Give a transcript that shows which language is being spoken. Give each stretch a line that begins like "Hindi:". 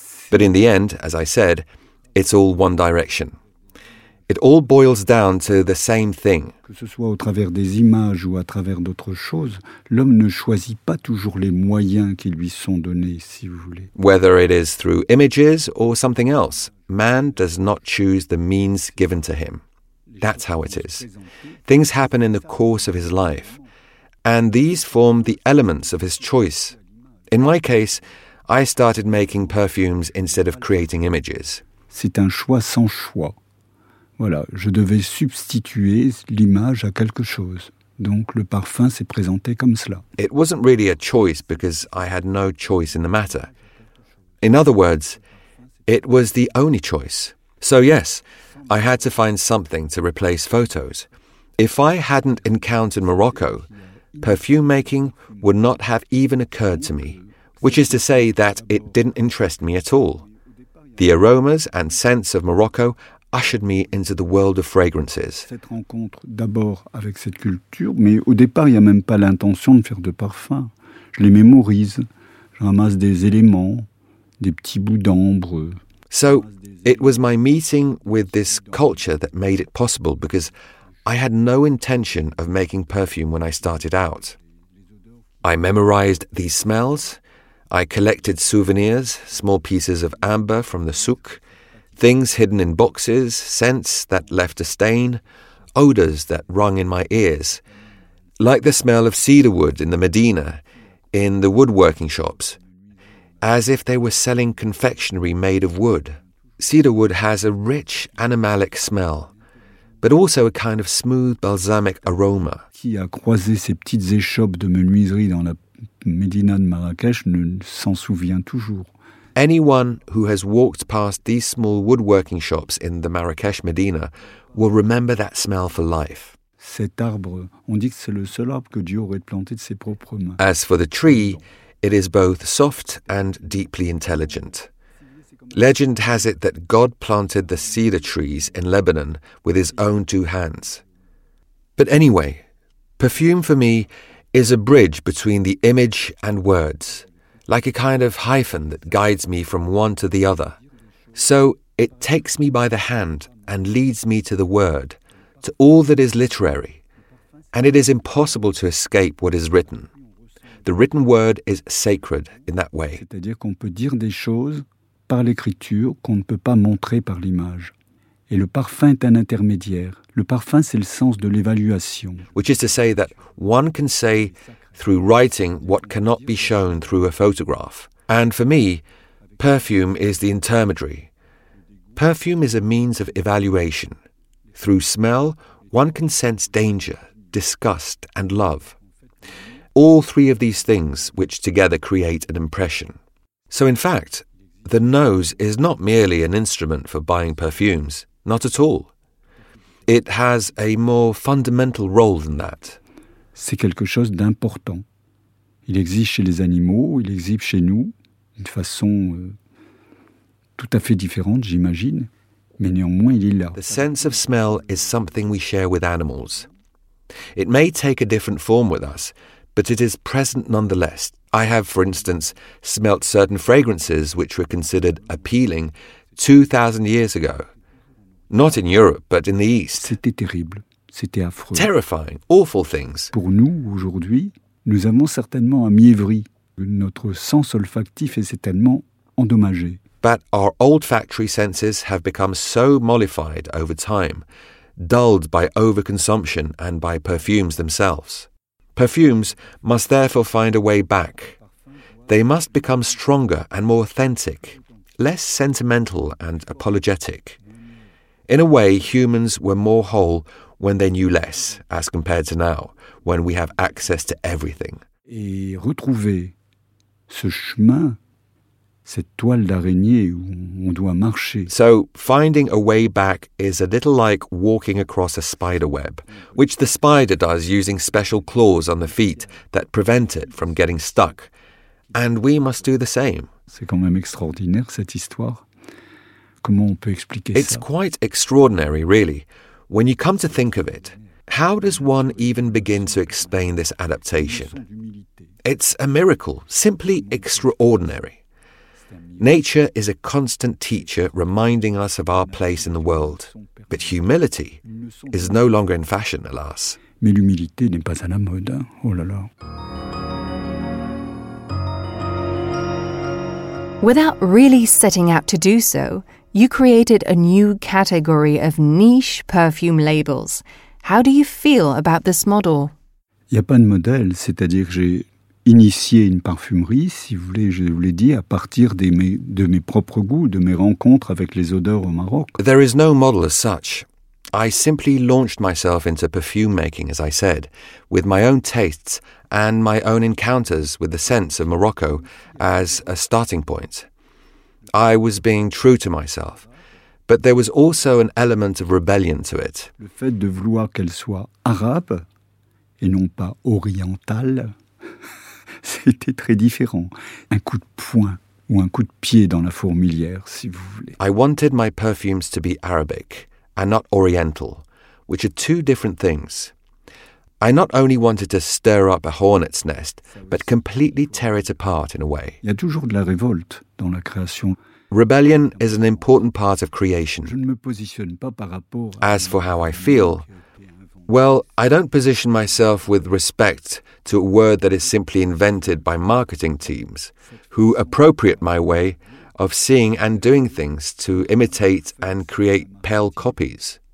English: But in the end, as I said, it's all one direction. It all boils down to the same thing.
French: Que ce soit au travers des images ou à travers d'autres choses, l'homme ne choisit pas toujours les moyens qui lui sont donnés, si vous voulez.
English: Whether it is through images or something else, man does not choose the means given to him. That's how it is. Things happen in the course of his life, and these form the elements of his choice. In my case, I started making perfumes instead of creating images.
French: C'est un choix sans choix. Voilà, je devais substituer l'image à quelque chose. Donc le parfum s'est présenté comme cela.
English: It wasn't really a choice because I had no choice in the matter. In other words, it was the only choice. So yes, I had to find something to replace photos. If I hadn't encountered Morocco, perfume making would not have even occurred to me, which is to say that it didn't interest me at all. The aromas and scents of Morocco ushered me into the world of fragrances.
French: Cette rencontre d'abord avec cette culture, mais au départ, il y a même pas l'intention de faire de parfums. Je les mémorise, je ramasse des éléments, des petits bouts d'ambre.
English: So, it was my meeting with this culture that made it possible because I had no intention of making perfume when I started out. I memorized these smells, I collected souvenirs, small pieces of amber from the souk. Things hidden in boxes, scents that left a stain, odors that rung in my ears, like the smell of cedarwood in the Medina, in the woodworking shops, as if they were selling confectionery made of wood. Cedarwood has a rich animalic smell, but also a kind of smooth balsamic aroma.
French: Qui a croisé ces petites échoppes de menuiserie dans la Médina de Marrakech ne s'en souvient toujours.
English: Anyone who has walked past these small woodworking shops in the Marrakech Medina will remember that smell for life.
French: Cet arbre, on dit que c'est le seul arbre que Dieu aurait planté de ses propres mains.
English: As for the tree, it is both soft and deeply intelligent. Legend has it that God planted the cedar trees in Lebanon with his own two hands. But anyway, perfume for me is a bridge between the image and words, like a kind of hyphen that guides me from one to the other. So it takes me by the hand and leads me to the word, to all that is literary. And it is impossible to escape what is written. The written word is sacred in that way.
French: C'est-à-dire qu'on peut dire des choses par l'écriture qu'on ne peut pas montrer par l'image. Et le parfum est un intermédiaire. Le parfum, c'est le sens de l'évaluation.
English: Which is to say that one can say through writing what cannot be shown through a photograph. And for me, perfume is the intermediary. Perfume is a means of evaluation. Through smell, one can sense danger, disgust, and love. All three of these things which together create an impression. So in fact, the nose is not merely an instrument for buying perfumes, not at all. It has a more fundamental role than that.
French: C'est quelque chose d'important. Il existe chez les animaux, il existe chez nous, d'une façon tout à fait différente, j'imagine, mais néanmoins, il est là.
English: The sense of smell is something we share with animals. It may take a different form with us, but it is present nonetheless. I have, for instance, smelt certain fragrances which were considered appealing 2,000 years ago. Not in Europe, but in the East.
French: C'était terrible. C'était affreux.
English: Terrifying, awful things.
French: Pour nous, aujourd'hui, nous avons certainement amiévri. Notre sens olfactif est certainement endommagé.
English: But our olfactory senses have become so mollified over time, dulled by overconsumption and by perfumes themselves. Perfumes must therefore find a way back. They must become stronger and more authentic, less sentimental and apologetic. In a way, humans were more whole when they knew less, as compared to now, when we have access to everything.
French: Et retrouver ce chemin, cette toile d'araignée où on doit marcher.
English: So, finding a way back is a little like walking across a spider web, which the spider does using special claws on the feet that prevent it from getting stuck. And we must do the same.
French: C'est quand même extraordinaire, cette histoire. Comment on peut expliquer ça?
English: It's quite extraordinary, really. When you come to think of it, how does one even begin to explain this adaptation? It's a miracle, simply extraordinary. Nature is a constant teacher reminding us of our place in the world. But humility is no longer in fashion, alas.
French: Mais l'humilité n'est pas à la mode, hein? Oh là là.
English: Without really setting out to do so, you created a new category of niche perfume labels. How do you feel about this model?
French: Il n'y a pas de modèle, c'est-à-dire que j'ai initié une parfumerie, si vous voulez, je vous l'ai dit, à partir de mes propres goûts, de mes rencontres avec les odeurs au Maroc.
English: There is no model as such. I simply launched myself into perfume making, as I said, with my own tastes and my own encounters with the scents of Morocco as a starting point. I was being true to myself, but there was also an element of rebellion to it.
French: Le fait de vouloir qu'elle soit arabe et non pas orientale, c'était très différent. Un coup de poing ou un coup de pied dans la fourmilière, si vous voulez.
English: I wanted my perfumes to be Arabic and not Oriental, which are two different things. I not only wanted to stir up a hornet's nest, but completely tear it apart in a way.
French: Il y a toujours de la révolte dans la création.
English: Rebellion is an important part of creation.
French: Je ne me positionne pas par rapport à...
English: As for how I feel, well, I don't position myself with respect to a word that is simply invented by marketing teams, who appropriate my way of seeing and doing things to imitate and create pale copies.